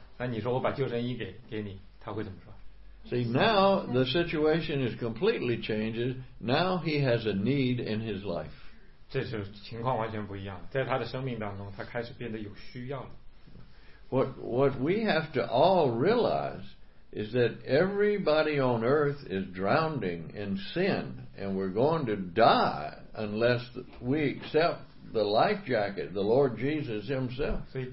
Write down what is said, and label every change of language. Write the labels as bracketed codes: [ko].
[zh] 那如果他在训练，然后呢，训练的时候碰到一些事故了，他快淹死了，那你说我把救生衣给你，他会怎么说？ [en] See, now the situation is completely changes. Now he has a need in his life. [zh] 这是情况完全不一样，在他的生命当中，他开始变得有需要了。 [en] What we have to all realize is that everybody on earth is drowning in sin, and we're going to die unless we accept the life jacket, the Lord Jesus himself.